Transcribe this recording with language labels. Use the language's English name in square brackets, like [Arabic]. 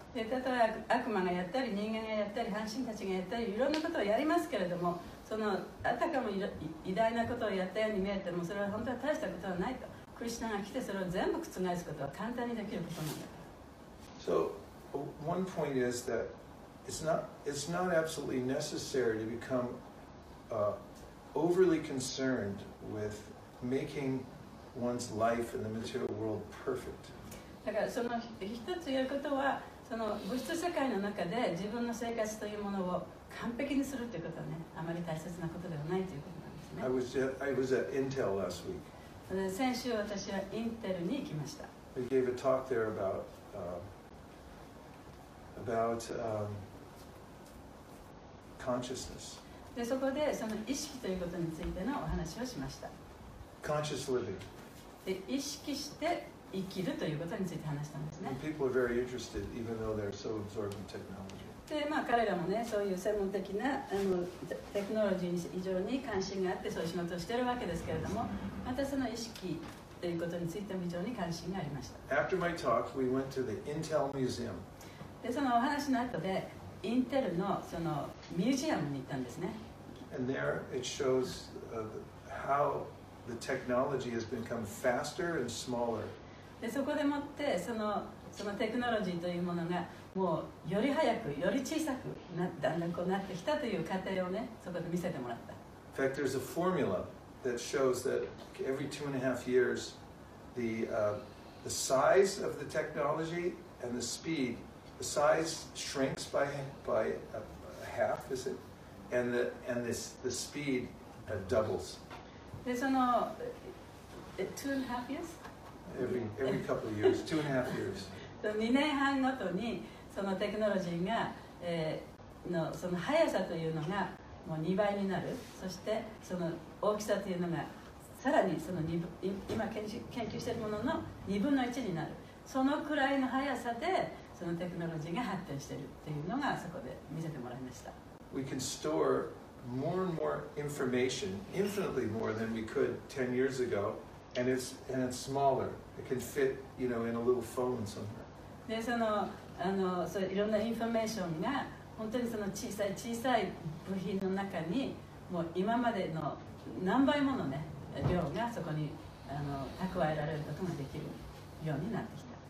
[Japanese] たとえ悪魔がやったり、人間がやったり、半神たちがやったり、いろんなことをやりますけれども、そのあたかも偉大なことをやったように見えても、それは本当は大したことはないと。クリシナが来てそれを全部覆すことは簡単にできることなんだ。 [English] So, one point is that. It's not absolutely necessary to become overly concerned with making one's life in the material world perfect. [Japanese] だからその一つやることはその物質世界の中で自分の生活というものを完璧にするということはね、あまり大切なことではないということなんですね。 [English] I was at Intel last week. [Japanese] 先週私はインテルに行きました。 [English] I gave a talk there about consciousness. [Japanese] でそこでその意識ということについてのお話をしました。 [English] Conscious living. [Japanese] で意識して生きるということについて話したんですね。 [English] And people are very interested, even though they're so absorbed in technology. [Japanese] でまあ、彼らもね、そういう専門的なテクノロジーに非常に関心があって、そういう仕事をしているわけですけれども、またその意識ということについても非常に関心がありました。 [English] After my talk, we went to the Intel Museum. [Japanese] で、そのお話の後で、インテルのそのミュージアムに行ったんですね。 [English] And there it shows how the technology has become faster and smaller. [Japanese] で、そこでもってそのテクノロジーというものがもうより早く、より小さくだんだんこうなってきたという過程をね、そこで見せてもらった。 [English] In fact, there's a formula that shows that every 2.5 years, the size of the technology and the speed, the size shrinks by a half, is it? And the speed doubles. [Japanese] で、その [English] 2.5 years? Every couple of years, 2.5 years. [Japanese] 2年半ごとに、そのテクノロジーが、のその速さというのがもう2倍になる、そしてその大きさというのがさらにその今研究しているものの2分の1になる、そのくらいの速さでそのテクノロジーが発展しているというのがそこで見せてもらいました。 [English] We can store more and more information, infinitely more than we could 10 years ago, and it's smaller. It can fit, you know, in a little phone somewhere. [Japanese] でそのそういろんなインフォメーションが本当にその小さい小さい部品の中にもう今までの何倍もの、ね、量がそこに蓄えられることができるようになってきた。